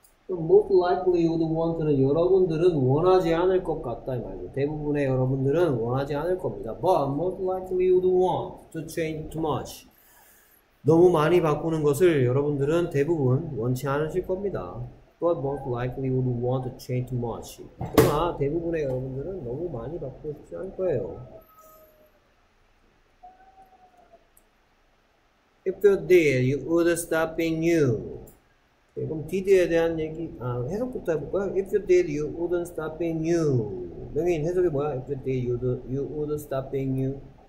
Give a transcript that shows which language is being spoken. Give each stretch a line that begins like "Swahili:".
English: Most likely you would want
Korean: 는 여러분들은 원하지 않을 것 같다 이 말이죠. 대부분의 여러분들은 원하지 않을 겁니다.
English: But most likely you would want to change too much.
Korean: 너무 많이 바꾸는 것을 여러분들은 대부분 원치 않으실 겁니다.
English: But most likely would want to change too much.
Korean: 그러나 대부분의 여러분들은 너무 많이 바꾸고 싶지 않을 거예요.
English: If you did, you would stop being you.
Korean: 네, 그럼 did에 대한 얘기, 해석부터 해볼까요?
English: If you did, you wouldn't stop being you.
Korean: 여기 해석이 뭐야?
English: If you did, you would stop being you.